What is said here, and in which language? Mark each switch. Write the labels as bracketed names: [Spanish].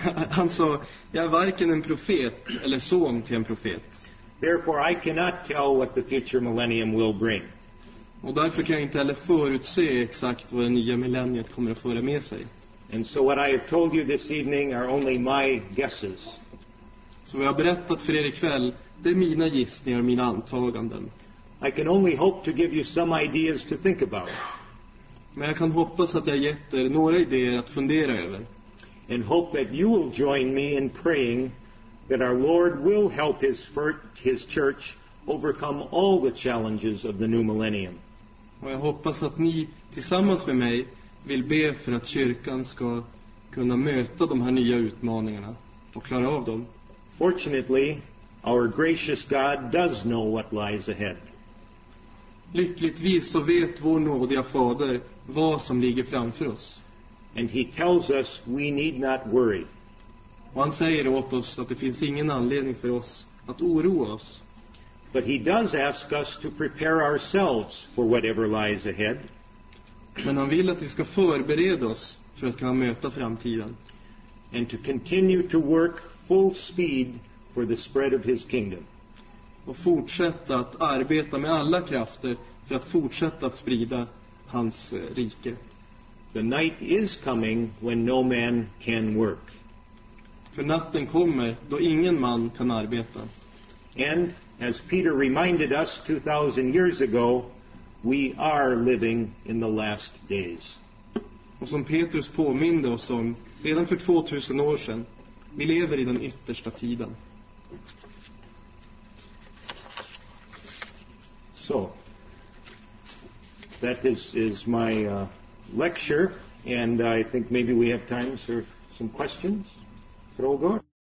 [Swedish] Han sa, jag är varken en profet eller son till en profet. [English] Therefore, I cannot tell what the future millennium will bring. [Swedish] Och därför kan jag inte heller förutse exakt vad det nya millenniet kommer att föra med sig. [English] And so what I have told you this evening are only my guesses. [Swedish] Så vad jag har berättat för er ikväll, det är mina gissningar, mina antaganden. [English] I can only hope to give you some ideas to think about. [Swedish] Men jag kan hoppas att jag gett er några idéer att fundera över. [English] And hope that you will join me in praying that our Lord will help his church overcome all the challenges of the new millennium. [Swedish] Och jag hoppas att ni tillsammans med mig vill be för att kyrkan ska kunna möta de här nya utmaningarna och klara av dem. [English] Fortunately, our gracious God does know what lies ahead. [Swedish] Lyckligtvis så vet vår nådiga fader vad som ligger framför oss. [English] And he tells us we need not worry. [Swedish] Och han säger åt oss att det finns ingen anledning för oss att oroa oss. [English] But he does ask us to prepare ourselves for whatever lies ahead. [Swedish] Men han vill att vi ska förbereda oss för att kunna möta framtiden. [English] And to continue to work full speed for the spread of his kingdom. [Swedish] Och fortsätta att arbeta med alla krafter för att fortsätta att sprida hans rike. [English] The night is coming when no man can work. [Swedish] För natten kommer då ingen man kan arbeta. [English] And as Peter reminded us 2000 years ago, we are living in the last days. [Swedish] Och som Petrus påminde oss om redan för 2000 år sedan, vi lever i den yttersta tiden. [English] So that is my lecture, and I think maybe we have time for some questions. [Swedish] Frågor?